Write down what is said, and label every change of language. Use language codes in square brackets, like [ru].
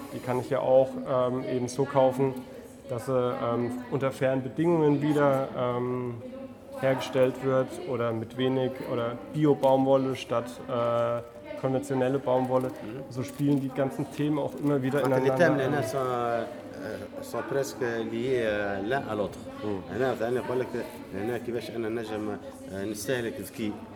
[de] Die kann ich ja auch eben so kaufen, dass sie unter fairen Bedingungen wieder hergestellt wird oder mit wenig oder Bio-Baumwolle statt konventionelle Baumwolle. So spielen die ganzen Themen auch immer wieder ineinander. [fr] sont presque liés l'un à l'autre. [ar] هنا مثلا يقول لك هنا كيفاش انا نجم نستهلك ذكي.